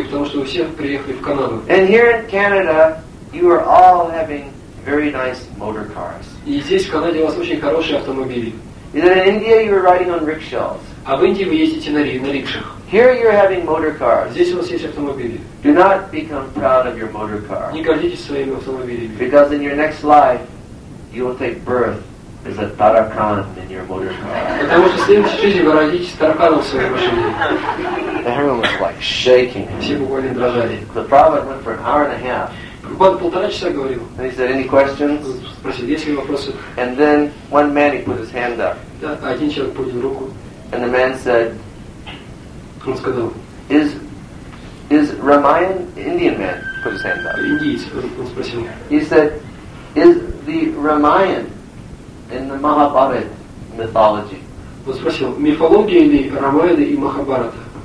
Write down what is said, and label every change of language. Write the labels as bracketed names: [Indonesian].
[English] And here in Canada, you are all having very nice motor cars. And in India, you are riding on rickshaws. [Russian] А в Индии вы ездите на рикшах. [English] Here you're having motor cars. [Russian] Здесь у вас есть автомобили. [English] Do not become proud of your motor car. [Russian] Не гордитесь своими автомобилями. [English] Because in your next life, you will take birth as a tarakan in your motor car. [Russian] Потому что в следующей жизни вы родитесь тараканом в своей машине. [English] Everyone was like shaking. [Russian] Все буквально дрожали. [English] The prophet went for an hour and a half. [Russian] Буквально полтора часа говорил. [English] And he said, any questions? [Russian] Спросил, есть ли вопросы? [English] And then one man, he put his hand up. [Russian] Да, один человек поднял руку. [English] And the man said, [Russian] он сказал, [English] is Ramayan Indian man? Put his hand up. [Russian] Индиец, он спросил. [English] He said, is the Ramayan in the Mahabharata mythology? [Russian] Он спросил, мифология ли Рамаяна и Махабарата?